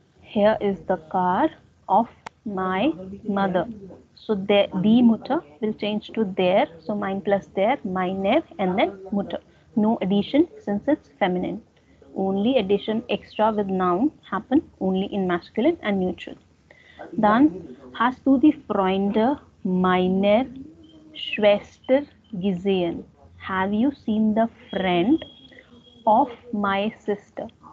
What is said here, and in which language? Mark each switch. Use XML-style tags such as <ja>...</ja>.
<en>Here is the car of my mother. So the Mutter will change to their. So mine plus their, meiner, and then Mutter. No addition since it's feminine. Only addition extra with noun happen only in masculine and neutral.</en> <de>Dann hast du die Freunde meiner Schwester gesehen?</de> <en>Have you seen the friend of my sister?</en>